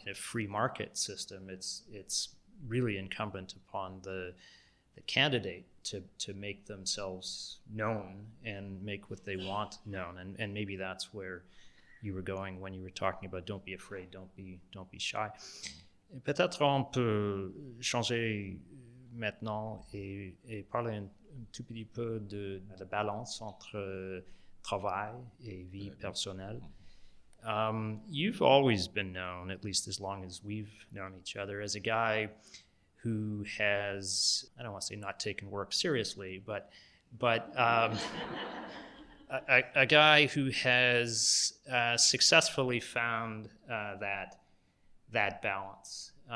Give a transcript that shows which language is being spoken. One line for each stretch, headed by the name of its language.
English: In a free market system, it's really incumbent upon the candidate to make themselves known and make what they want known. And maybe that's where you were going when you were talking about don't be afraid, don't be shy.
French: Peut-être on peut changer maintenant et parler un tout petit peu de la balance entre travail et vie personnelle.
English: You've always been known, at least as long as we've known each other, as a guy who has, I don't want to say not taken work seriously, but a guy who has successfully found that balance.